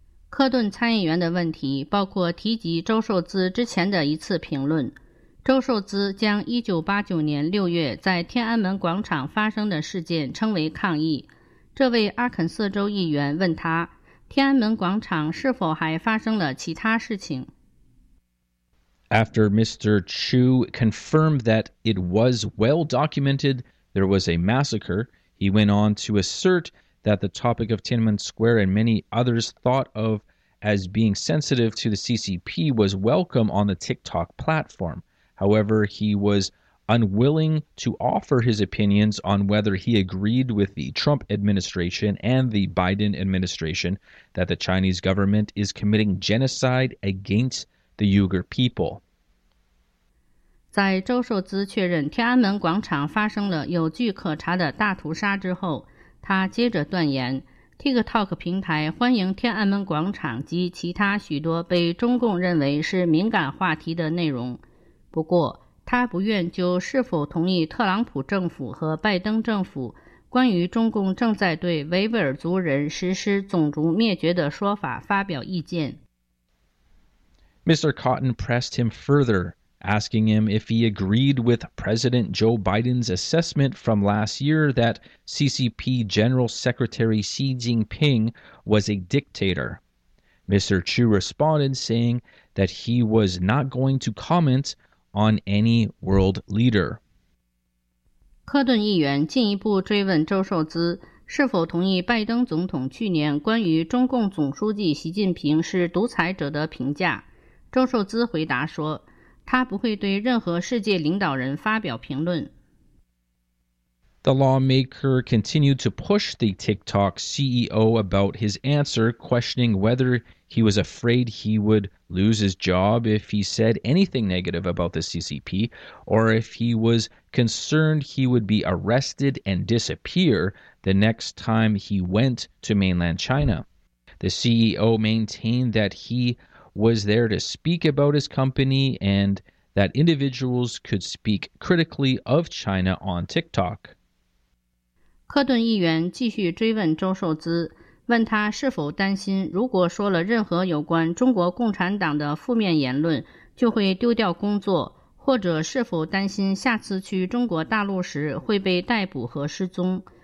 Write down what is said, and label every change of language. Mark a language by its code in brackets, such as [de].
[zh] 科顿参议员的问题包括提及周受资之前的一次评论。周受资将1989年6月在天安门广场发生的事件称为抗议。这位阿肯色州议员问他，天安门广场是否还发生了其他事情？ [en] After Mr. Chu confirmed that it was well documented there was a massacre, he went on to assert that the topic of Tiananmen Square and many others thought of as being sensitive to the CCP was welcome on the TikTok platform. However, he was unwilling to offer his opinions on whether he agreed with the Trump administration and the Biden administration that the Chinese government is committing genocide against the Uyghur people. [zh] 在周受资确认天安门广场发生了有据可查的大屠杀之后，他接着断言， TikTok 平台欢迎天安门广场及其他许多被中共认为是敏感话题的内容。不过，他不愿就是否同意特朗普政府和拜登政府关于中共正在对维吾尔族人实施种族灭绝的说法发表意见。 [en] Mr. Cotton pressed him further, asking him if he agreed with President Joe Biden's assessment from last year that CCP General Secretary Xi Jinping was a dictator. Mr. Chu responded, saying that he was not going to commentOn any world leader. [zh] 科顿议员进一步追问周受资是否同意拜登总统去年关于中共总书记习近平是独裁者的评价。周受资回答说，他不会对任何世界领导人发表评论。 [en] The lawmaker continued to push the TikTok CEO about his answer, questioning whether he was afraid he would lose his job if he said anything negative about the CCP, or if he was concerned he would be arrested and disappear the next time he went to mainland China. The CEO maintained that he was there to speak about his company and that individuals could speak critically of China on TikTok. [zh] 柯顿议员继续追问周受资，问他是否担心如果说了任何有关中国共产党的负面言论就会丢掉工作，或者是否担心下次去中国大陆时会被逮捕和失踪。